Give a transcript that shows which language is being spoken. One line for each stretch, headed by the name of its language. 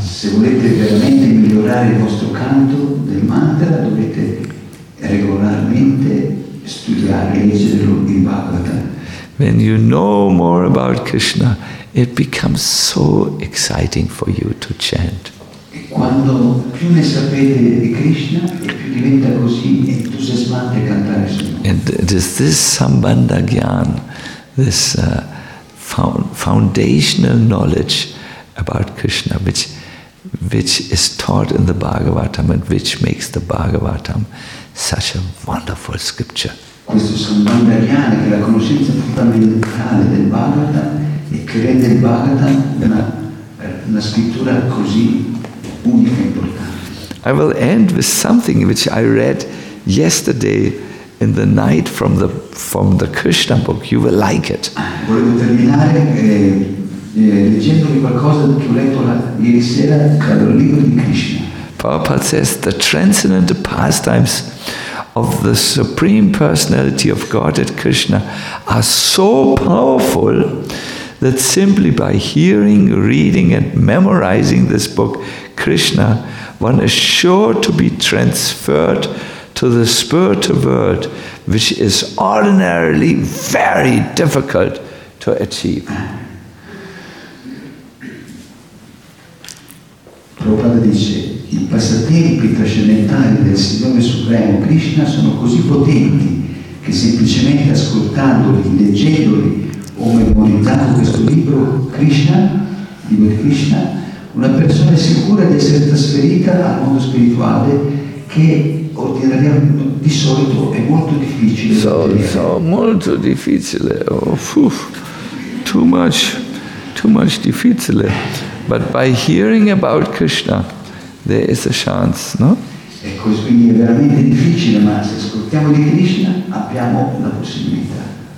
Italian: Se volete veramente migliorare il vostro canto del mantra, dovete regolarmente studiare e leggere il Bhagavatam.
English: When you know more about Krishna, it becomes so exciting for you to chant.
Italian: E quando più ne sapete di Krishna, più diventa così entusiasmante cantare il suo.
English: And does this Sambandha Gyan, this foundational knowledge about Krishna, which is taught in the Bhagavatam and which makes the Bhagavatam such a wonderful scripture.
Italian: Questo Sambandha Gyan, che è la conoscenza fondamentale del Bhagavatam e che rende il Bhagavatam una scrittura così unica e importante.
English: I will end with something which I read yesterday in the night from the Krishna book. You will like it.
Italian: Volevo terminare leggendovi qualcosa che ho letto ieri sera dal libro di Krishna.
English: Prabhupada says the transcendental pastimes of the Supreme Personality of Godhead Krishna are so powerful that simply by hearing, reading and memorizing this book, Krishna, one is sure to be transferred to the spiritual world, which is ordinarily very difficult to achieve.
Italian: Prabhupada dice, i passatempi trascendentali del Signore Supremo Krishna sono così potenti che semplicemente ascoltandoli, leggendoli o memorizzando questo libro Krishna, libro di Krishna, una persona è sicura di essere trasferita al mondo spirituale che ordinariamente di solito è molto difficile. So, molto difficile. Oh,
English: too much
Italian: difficile.
English: But by hearing about Krishna, there is a chance, no?
Italian: Ecco, quindi è veramente difficile, ma se ascoltiamo di Krishna abbiamo la possibilità.